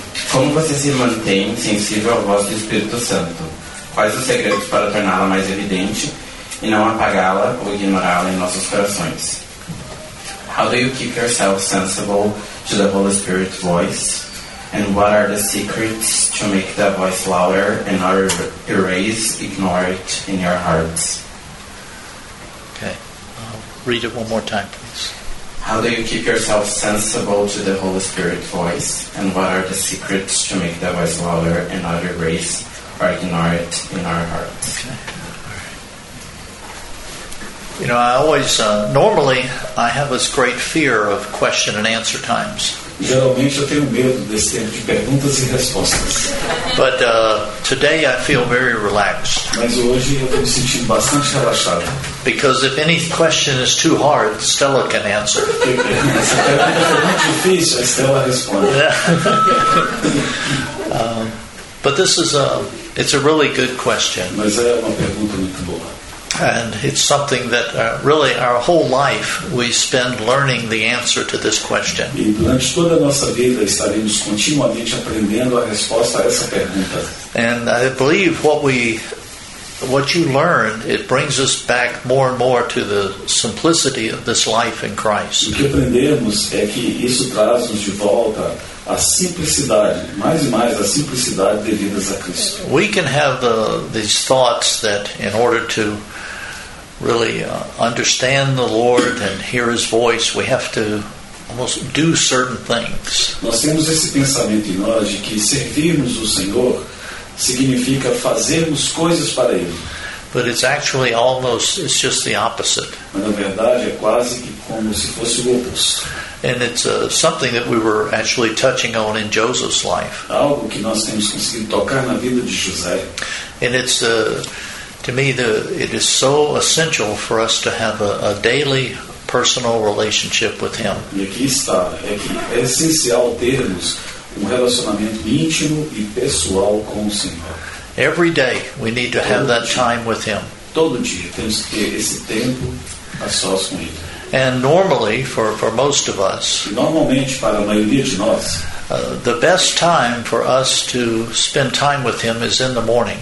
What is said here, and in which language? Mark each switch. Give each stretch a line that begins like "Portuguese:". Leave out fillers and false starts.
Portuguese: Como você se mantém sensível à voz do Espírito Santo? Quais os segredos para torná-la mais evidente e não apagá-la ou ignorá-la em nossos corações?
English: How do you keep yourself sensible to the Holy Spirit's voice? And what are the secrets to make that voice louder and not erase, ignore it in your hearts? Okay, read it one more time, please. How do you keep yourself sensible to the Holy Spirit's voice? And what are the secrets to make that voice louder and not erase or ignore it in our hearts? Okay. You know, I always, normally, I have this great fear of question and answer times.
Portuguese: Geralmente, eu tenho medo desse tempo de perguntas e respostas.
English: But today, I feel very relaxed.
Portuguese: Mas hoje, eu tô me sentindo bastante relaxado.
English: Because if any question is too hard, Stella can answer.
Portuguese: Se a pergunta for muito difícil, a Stella responde.
English: But this is it's a really good question.
Portuguese: Mas é uma pergunta muito boa.
English: And it's something that really our whole life we spend learning the answer to this question.
Portuguese: E durante toda a nossa vida estaremos continuamente aprendendo a resposta a essa pergunta.
English: And I believe what you learn, it brings us back more and more to the simplicity of this life in Christ.
Portuguese: O que aprendemos é que isso traz-nos de volta a simplicidade, mais e mais a simplicidade devidas a Cristo.
English: We can have these thoughts that in order to really understand the Lord and hear His voice, we have to almost do certain things.
Portuguese: Nós temos esse pensamento em nós de que servirmos o Senhor significa fazermos coisas para Ele.
English: But it's actually almost, it's just the opposite.
Portuguese: Mas na verdade é quase que como se fosse o oposto.
English: And it's something that we were actually touching on in Joseph's life.
Portuguese: Algo que nós temos conseguido tocar na vida de José.
English: And it's to me, it is so essential for us to have a daily personal relationship with Him.
Portuguese: E aqui está, é que é essencial termos relacionamento íntimo e pessoal com o Senhor.
English: Every day we need to have that time with Him.
Portuguese: Todo dia temos que ter esse tempo a sós com Ele.
English: And normally, for most of us,
Portuguese: normalmente para a maioria de nós,
English: the best time for us to spend time with Him is in the morning.